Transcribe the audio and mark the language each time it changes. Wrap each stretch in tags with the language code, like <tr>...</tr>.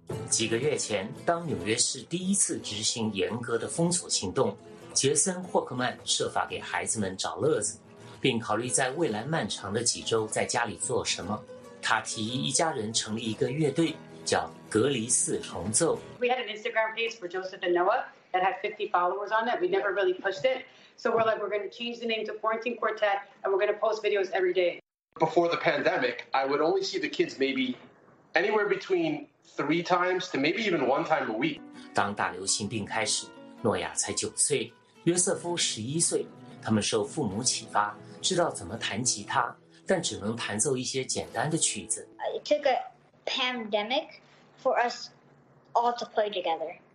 <zh>几个月前，当纽约市第一次执行严格的封锁行动，杰森·霍克曼设法给孩子们找乐子，并考虑在未来漫长的几周在家里做什么。他提议一家人成立一个乐队，叫隔离四重奏。</zh> <en>We had an Instagram page for Joseph and Noah that had 50 followers on it. We never really pushed it. So we're like, we're going to change the name to Quarantine Quartet and we're going to post videos every day. Before the pandemic, I would only see the kids maybe anywhere between 3 times to maybe even 1 time a week.</en> <zh>当大流行病开始，诺亚才9岁，约瑟夫11岁，他们受父母启发，知道怎么弹吉他，但只能弹奏一些简单的曲子。</zh> <en>It took a pandemic for us all to play together.</en>